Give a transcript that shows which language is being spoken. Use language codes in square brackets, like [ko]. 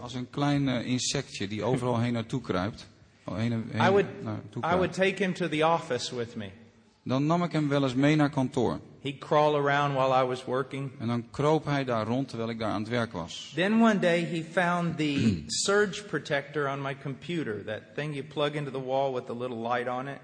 [nl] Als een klein insectje die overal heen naartoe kruipt. [en] I would take him to the office with me. [nl] Dan nam ik hem wel eens mee naar kantoor. [en] He'd crawl around while I was working. [nl] En dan kroop hij daar rond terwijl ik daar aan het werk was. [en] Then one day he found the surge protector on my computer, that thing you plug into the wall with the little light on it.